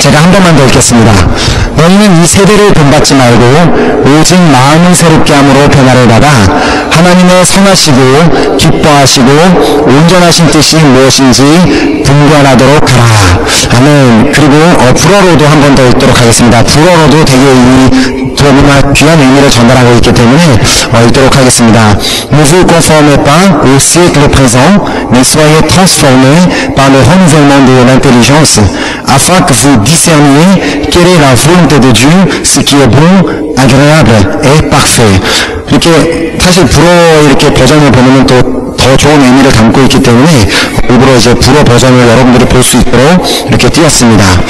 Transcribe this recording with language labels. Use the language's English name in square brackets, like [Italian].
[Korean] 제가 한 번만 더 읽겠습니다. 너희는 이 세대를 본받지 말고 오직 마음을 새롭게 함으로 변화를 받아 하나님의 선하시고 기뻐하시고 온전하신 뜻이 무엇인지 분별하도록 하라. 아멘. 그리고 불어로도 한 번 더 읽도록 하겠습니다. 불어로도 되게 이 너무나 귀한 의미를 전달하고 있기 때문에 읽도록 하겠습니다. [French] Nous vous conformons pas au siècle présent, mais soyez transformés par le renouvellement de l'intelligence, afin que vous discerniez quelle est la volonté de Dieu, ce qui est bon, agréable et parfait. [Korean] 이렇게 사실 불어 이렇게 버전을 보면 또 더 좋은 의미를 담고 있기 때문에 일부러 이제 불어 버전을 여러분들이 볼 수 있도록 이렇게 띄웠습니다.